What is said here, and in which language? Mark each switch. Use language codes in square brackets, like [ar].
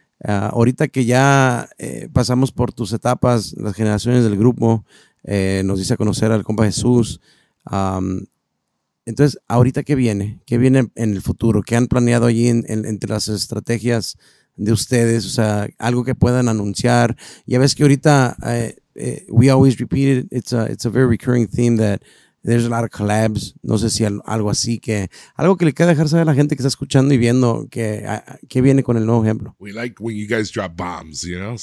[es] Ahorita que ya pasamos por tus etapas, las generaciones del grupo, nos dice a conocer al compa Jesús. Entonces, ahorita, ¿qué viene? ¿Qué viene en el futuro? ¿Qué han planeado allí entre las estrategias de ustedes? O sea, algo que puedan anunciar. Ya ves que ahorita, [en] we always repeat it, it's a very recurring theme that there's a lot of collabs. [es] No sé si algo así que... Algo que le queda dejar saber a la gente que está escuchando y viendo que viene con el nuevo ejemplo. [en] We like when you guys drop bombs, you know?